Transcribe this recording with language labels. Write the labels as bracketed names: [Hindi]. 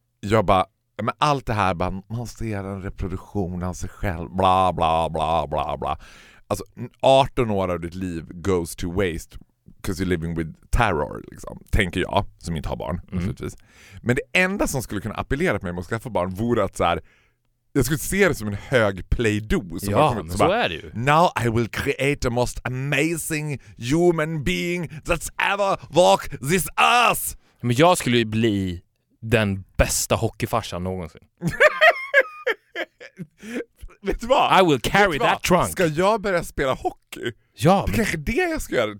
[Swedish] Jag bara, men allt det här bara, man ser en reproduktion av sig själv, bla bla bla bla bla. Alltså 18 år av ditt liv [English] goes to waste because you're living with terror, [Swedish] liksom, tänker jag som inte har barn. Men det enda som skulle kunna appellera på mig om att skaffa barn vore att så här, jag skulle se det som en hög play-do. Som ja, kommit, så är det ju. [English] Now I will create the most amazing human being that's ever walked this earth. [Swedish] Men jag skulle ju bli den bästa hockeyfarsan någonsin. Vet du vad? [English] I will carry that trunk. [Swedish] Ska jag börja spela hockey? Ja, det är kanske det jag ska göra.